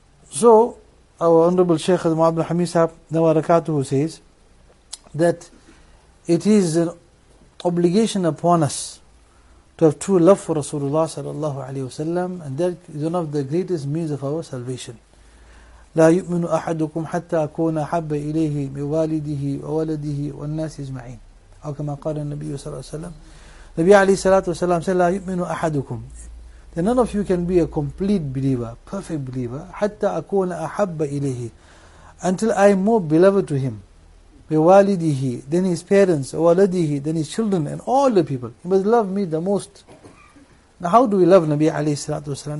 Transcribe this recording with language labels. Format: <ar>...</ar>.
<en>So, our Honorable Shaykh Mu'abdul Hamid Sahib, Nawarakatuhu, says that it is an obligation upon us to have true love for Rasulullah sallallahu alayhi wasallam, and that is one of the greatest means of our salvation.</en> <ar>لا يؤمن أحدكم حتى أكون أحب إليه من والده وولده والناس أجمعين. أو كما قال النبي صلى الله عليه وسلم. النبي عليه الصلاة والسلام</ar> <en>said</en> <ar>لا يؤمن أحدكم.</ar> <en>Then none of you can be a complete believer, perfect believer,</en> <ar>حتى أكون أحب إليه.</ar> <en>Until I am more beloved to him.</en> <ar>من والده,</ar> <en>then his parents,</en> <ar>وولده,</ar> <en>then his children and all the people. He must love me the most. Now how do we love Nabi alayhi salatu wasalam?</en>